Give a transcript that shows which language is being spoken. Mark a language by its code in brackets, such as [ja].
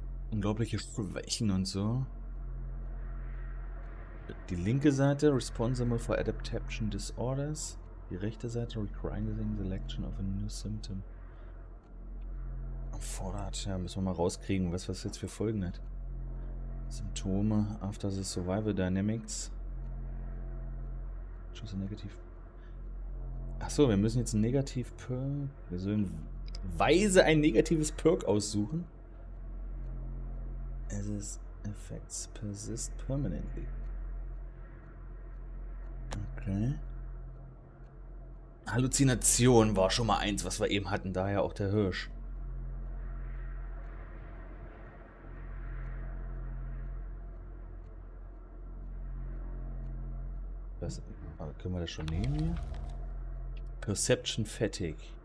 [de] Unglaubliche Schwächen und so. Die linke Seite, [en] responsible for adaptation disorders. [de] Die rechte Seite, [en] requiring selection of a new symptom. [de] Fordert, ja, müssen wir mal rauskriegen, was das jetzt für Folgen hat. [en] Symptome, after the survival dynamics. Choose a negative. [de] Achso, wir müssen jetzt ein negativ Perk. Wir sollen weise ein negatives Perk aussuchen. [en] As its effects persist permanently. Okay. [de] Halluzination war schon mal eins, was wir eben hatten, daher auch der Hirsch. Was, können wir das schon nehmen hier? Perception Fatigue.